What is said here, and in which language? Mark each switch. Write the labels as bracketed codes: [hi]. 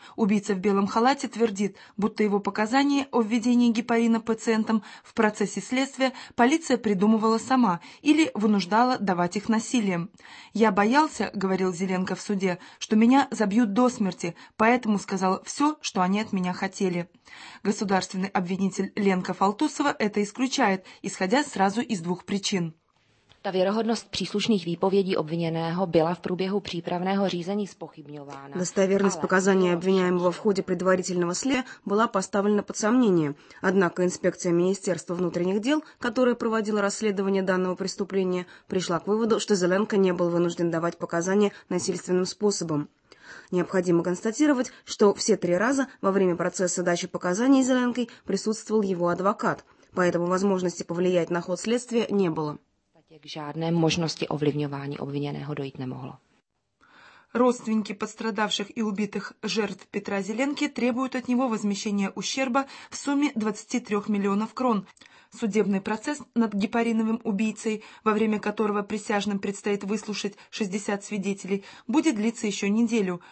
[ru] Убийца в белом халате твердит, будто его показания о введении гепарина пациентам в процессе следствия полиция придумывала сама или вынуждала давать их насилием. «Я боялся, — говорил Зеленко в суде, — что меня забьют до смерти, поэтому сказал все, что они от меня хотели». Государственный обвинитель Ленка Фалтусова это исключает, исходя сразу из двух причин. [cs] Ta věrohodnost příslušných výpovědí obviněného byla v průběhu přípravného řízení zpochybňována. [ru] Достоверность показаний обвиняемого в ходе предварительного следствия была поставлена под сомнение. Однако инспекция Министерства внутренних дел, которая проводила расследование данного преступления, пришла к выводу, что Зеленко не был вынужден давать показания насильственным способом. Необходимо констатировать, что все три раза во время процесса дачи показаний Зеленкой присутствовал его адвокат, поэтому возможности повлиять на ход следствия не было. [cs] K žádné možnosti ovlivňování obviněného dojít nemohlo. [ru] Родственники пострадавших и убитых жертв Петра Зеленки требуют от него возмещения ущерба в сумме 23 миллионов крон. Судебный процесс над гепариновым убийцей, во время которого присяжным предстоит выслушать 60 свидетелей, будет длиться еще неделю.